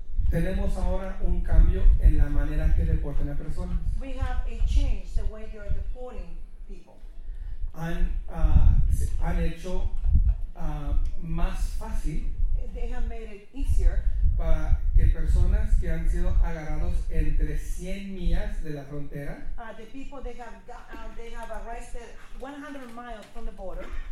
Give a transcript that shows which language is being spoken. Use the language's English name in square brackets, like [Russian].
[Spanish] Tenemos ahora un cambio en la manera que deportan a personas. [English] We have a change the way you're deporting people. [Spanish] Han hecho más fácil. [English] They have made it easier. [Spanish] Para que personas que han sido agarrados entre 100 millas de la frontera. [English] The people they have arrested 100 miles from the border.